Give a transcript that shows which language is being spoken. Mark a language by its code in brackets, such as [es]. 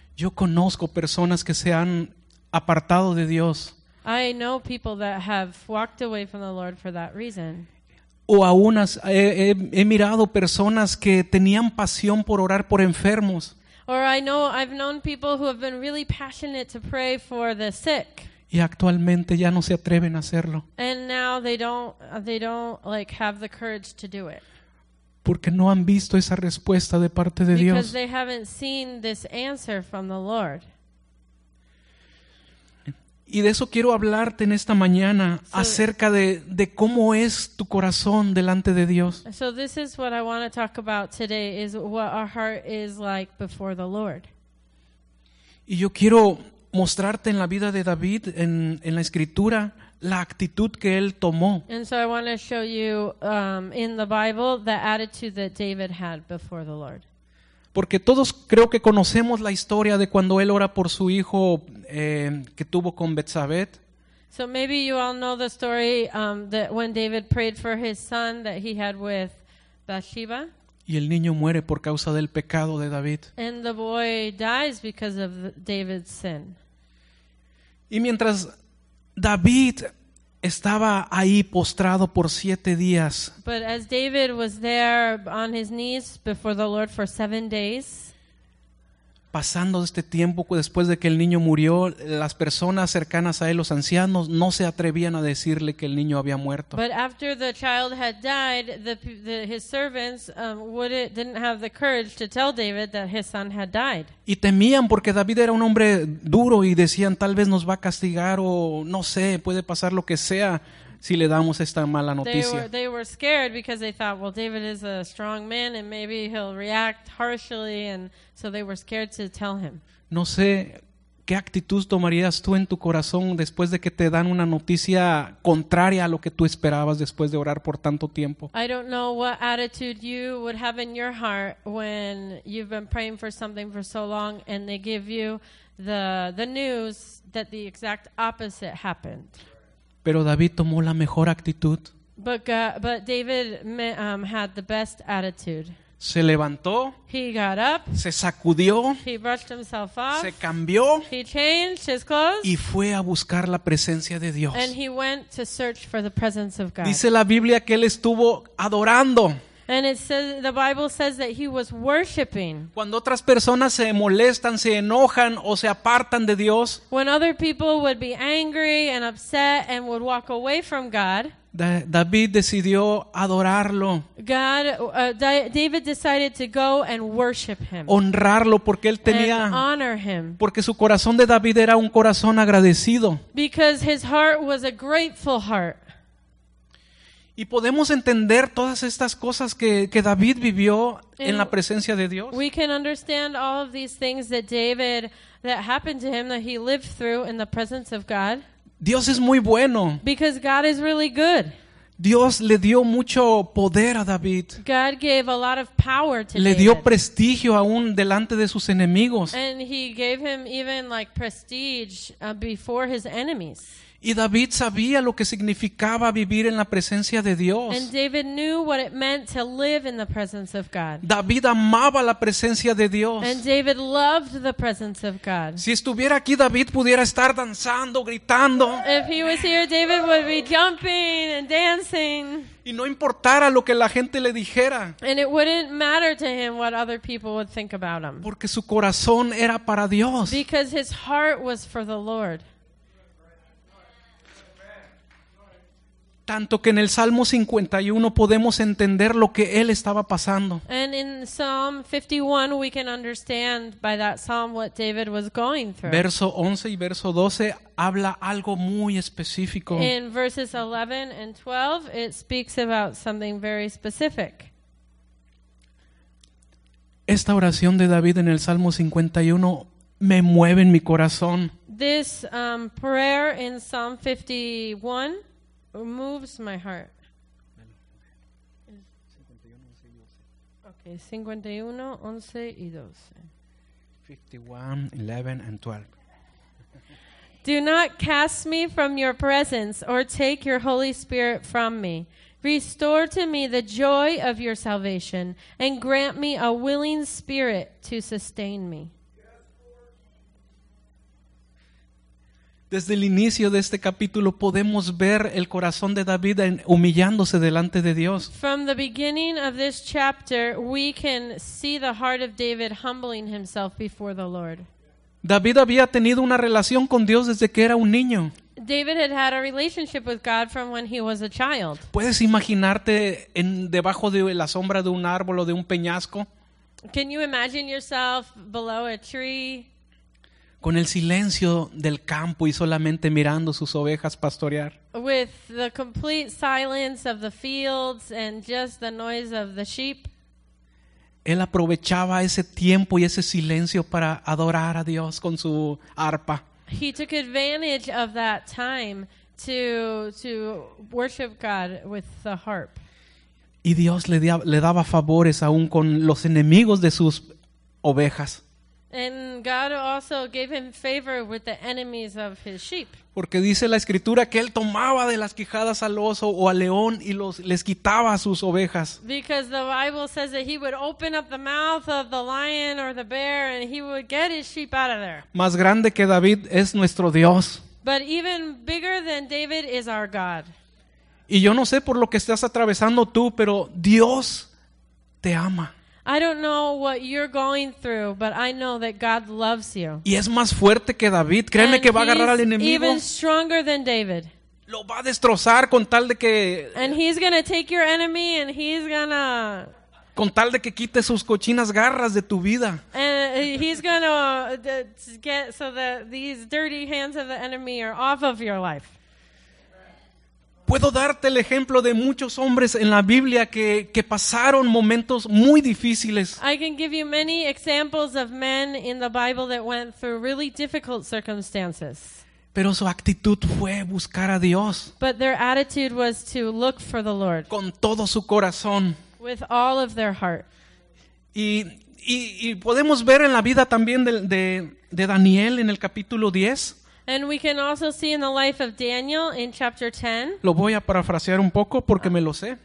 [es] Yo conozco personas que se han apartado de Dios. [en] I know people that have walked away from the Lord for that reason. [es] O aún he mirado personas que tenían pasión por orar por enfermos. [en] Or I've known people who have been really passionate to pray for the sick. [es] Y actualmente ya no se atreven a hacerlo. [en] And now they don't like have the courage to do it. [es] Porque no han visto esa respuesta de parte de Dios. [en] Because they haven't seen this answer from the Lord. [es] Y de eso quiero hablarte en esta mañana, acerca de cómo es tu corazón delante de Dios. [en] So this is what I want to talk about today, is what our heart is like before the Lord. [es] Y yo quiero mostrarte en la vida de David, en la Escritura, la actitud que él tomó. [en] And so I want to show you in the Bible the attitude that David had before the Lord. [es] Porque todos creo que conocemos la historia de cuando él ora por su hijo que tuvo con Betsabé. [en] So maybe you all know the story that when David prayed for his son that he had with Bathsheba. [es] Y el niño muere por causa del pecado de David. [en] And the boy dies because of David's sin. [es] Y mientras David estaba ahí postrado por 7 días. [en] But as David was there on his knees before the Lord for 7 days, [es] pasando este tiempo después de que el niño murió, las personas cercanas a él, los ancianos, no se atrevían a decirle que el niño había muerto. [en] But after the child had died, his servants didn't have the courage to tell David that his son had died. [es] Y temían porque David era un hombre duro y decían tal vez nos va a castigar o no sé, puede pasar lo que sea si le damos esta mala noticia. [en] They were scared because they thought, well, David is a strong man and maybe he'll react harshly, and so they were scared to tell him. [es] No sé qué actitud tomarías tú en tu corazón después de que te dan una noticia contraria a lo que tú esperabas después de orar por tanto tiempo. [en] I don't know what attitude you would have in your heart when you've been praying for something for so long and they give you the news that the exact opposite happened. [es] Pero David tomó la mejor actitud. [en] But David had the best attitude. [es] Se levantó. [en] He got up. [es] Se sacudió. [en] He brushed himself off. [es] Se cambió. [en] He changed his clothes. [es] Y fue a buscar la presencia de Dios. [en] And he went to search for the presence of God. [es] Dice la Biblia que él estuvo adorando. [en] And it says, the Bible says that he was worshiping. [es] Cuando otras personas se molestan, se enojan o se apartan de Dios, [en] when other people would be angry and upset and would walk away from God, [es] David decidió adorarlo. [en] David decided to go and worship him. [es] Honrarlo porque él tenía. [en] And honor him. [es] Porque su corazón de David era un corazón agradecido. [en] Because his heart was a grateful heart. [es] Y podemos entender todas estas cosas que David vivió en la presencia de Dios. [en] We can understand all of these things that David, that happened to him, that he lived through in the presence of God. [es] Dios es muy bueno. [en] Because God is really good. [es] Dios le dio mucho poder a David. [en] God gave a lot of power to David. [es] Le dio prestigio aún delante de sus enemigos. [en] And he gave him even like prestige before his enemies. [es] Y David sabía lo que significaba vivir en la presencia de Dios. [en] And David knew what it meant to live in the presence of God. [es] David amaba la presencia de Dios. [en] And David loved the presence of God. [es] Si estuviera aquí, David pudiera estar danzando, gritando. [en] If he was here, David would be jumping and dancing. [es] Y no importara lo que la gente le dijera. [en] And it wouldn't matter to him what other people would think about him. [es] Porque su corazón era para Dios. [en] Because his heart was for the Lord. [es] Tanto que en el Salmo 51 podemos entender lo que él estaba pasando. [en] And in Psalm 51 we can understand by that psalm what David was going through. [es] Verso 11 y verso 12 habla algo muy específico. [en] In verses 11 and 12 it speaks about something very specific. [es] Esta oración de David en el Salmo 51 me mueve en mi corazón. [en] This prayer in Psalm 51 moves my heart. Okay, 51, 11 and 12. Do not cast me from your presence or take your Holy Spirit from me. Restore to me the joy of your salvation and grant me a willing spirit to sustain me. [es] Desde el inicio de este capítulo podemos ver el corazón de David humillándose delante de Dios. [en] From the beginning of this chapter, we can see the heart of David humbling himself before the Lord. [es] David había tenido una relación con Dios desde que era un niño. [en] David had had a relationship with God from when he was a child. [es] ¿Puedes imaginarte en debajo de la sombra de un árbol o de un peñasco? [en] Can you imagine yourself below a tree? [es] Con el silencio del campo y solamente mirando sus ovejas pastorear. [en] With the complete silence of the fields and just the noise of the sheep. [es] Él aprovechaba ese tiempo y ese silencio para adorar a Dios con su arpa. [en] He took advantage of that time to worship God with the harp. [es] Y Dios le daba favores aún con los enemigos de sus ovejas. [en] And God also gave him favor with the enemies of his sheep. [es] Porque dice la escritura que él tomaba de las quijadas al oso o al león y les quitaba a sus ovejas. [en] Because the Bible says that he would open up the mouth of the lion or the bear and he would get his sheep out of there. [es] Más grande que David es nuestro Dios. [en] But even bigger than David is our God. [es] Y yo no sé por lo que estás atravesando tú, pero Dios te ama. [en] I don't know what you're going through, but I know that God loves you. [es] Y es más fuerte que David. Créeme que va a agarrar al enemigo. [en] Even stronger than David. [es] Lo va a destrozar con tal de que. [en] And he's gonna take your enemy, and he's gonna. [es] Con tal de que quite sus cochinas garras de tu vida. [en] And he's gonna get so that these dirty hands of the enemy are off of your life. [es] Puedo darte el ejemplo de muchos hombres en la Biblia que pasaron momentos muy difíciles. [en] I can give you many examples of men in the Bible that went through really difficult circumstances. [es] Pero su actitud fue buscar a Dios. [en] But their attitude was to look for the Lord. [es] Con todo su corazón. [en] With all of their heart. [es] Y podemos ver en la vida también de Daniel en el capítulo 10. [en] And we can also see in the life of Daniel in chapter 10. [es] Lo voy a parafrasear un poco porque me lo sé.